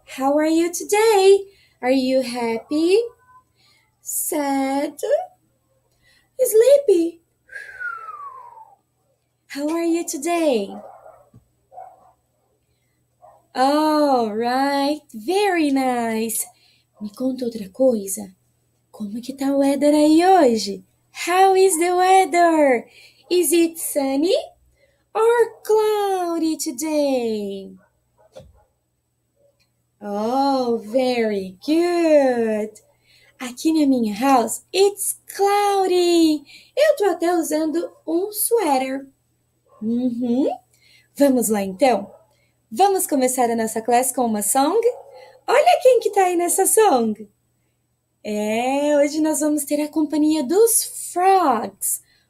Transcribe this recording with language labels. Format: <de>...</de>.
<en>How are you today? Are you happy? Sad? Sleepy? How are you today? All right, very nice.</en> <pt>Me conta outra coisa. Como que tá o weather aí hoje?</pt> <en>How is the weather? Is it sunny or cloudy today? Oh, very good.</en> <pt>Aqui na minha</pt> <en>house, it's cloudy.</en> <pt>Eu tô até usando um sweater. Vamos lá então. Vamos começar a nossa classe com uma song. Olha quem que tá aí nessa song. É, hoje nós vamos ter a companhia dos frogs.</pt>